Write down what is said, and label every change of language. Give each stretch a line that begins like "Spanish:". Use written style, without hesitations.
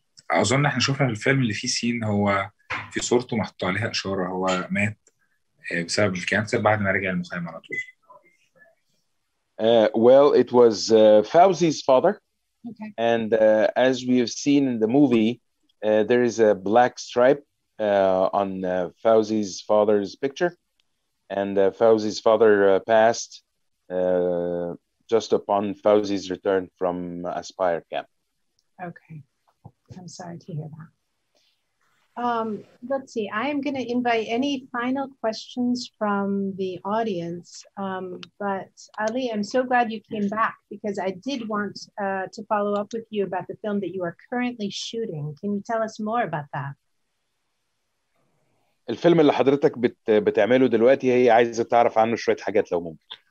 Arabic: أظن إحنا شوفنا في الفيلم اللي فيه سين هو في صورته محطوط عليها إشارة هو مات بسبب الكانسر بعد ما رجع المخيم على طول.
English: Well, it was Fauzi's father. Okay. And as we have seen in the movie, there is a black stripe on Fauzi's father's picture. And Fauzi's father passed just upon Fauzi's return from Aspire camp. Okay. I'm sorry to hear that. Let's see. I am going to invite any final questions from the audience. But Ali, I'm so glad you came back because I did want to follow up with you about the film that you are currently shooting. Can you tell us more about that?
Arabic: الفيلم اللي حضرتك بتعمله دلوقتي هي عايزة تعرف عنه شوية حاجات لو ممكن.